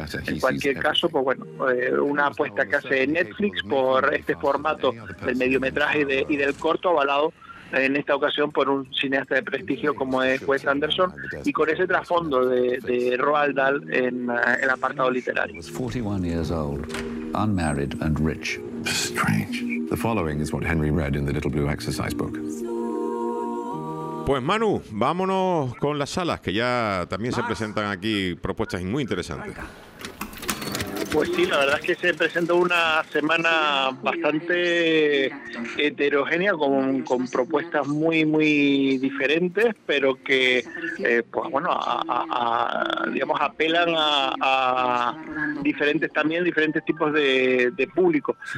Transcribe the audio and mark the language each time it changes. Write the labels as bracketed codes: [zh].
[es] En cualquier caso, pues bueno, una apuesta que hace Netflix por este formato del mediometraje y del corto, avalado en esta ocasión por un cineasta de prestigio como es Wes Anderson, y con ese trasfondo de Roald Dahl en el apartado literario. [en] Was 41 years old, unmarried and rich. Strange. The following is what Henry read in the Little Blue Exercise Book. [es] Pues Manu, vámonos con las salas, que ya también se presentan aquí propuestas muy interesantes. Pues sí, la verdad es que se presentó una semana bastante heterogénea, con propuestas muy muy diferentes, pero que pues bueno, digamos apelan a diferentes también diferentes tipos de público.